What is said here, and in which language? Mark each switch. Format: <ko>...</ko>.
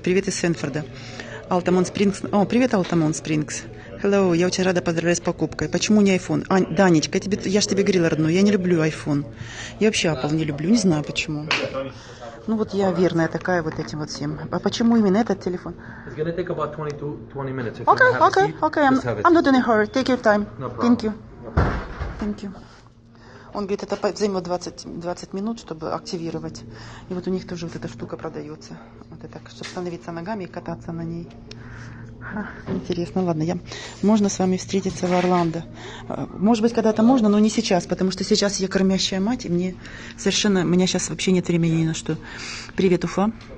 <ru>Привет из Сенфорда. Altamont Springs. О, привет, Altamont Springs. Hello, я очень рада поздравлять с покупкой. Почему не iPhone? Данечка, я же тебе говорила, родной, я не люблю iPhone. Я вообще Apple не люблю, не знаю почему. Ну вот я верная такая вот этим вот всем. А почему именно этот телефон?</ru> <en>It's gonna take about 20 minutes. Okay. I'm not in a hurry. Take your time. No problem. Thank you.</en> <ru>Он говорит, это займет 20 минут, чтобы активировать. И вот у них тоже вот эта штука продается. Вот это, чтобы становиться ногами и кататься на ней. Интересно, ладно, можно с вами встретиться в Орландо. Может быть, когда-то можно, но не сейчас, потому что сейчас я кормящая мать, и мне совершенно, у меня сейчас вообще нет времени ни на что. Привет, Уфа.</ru>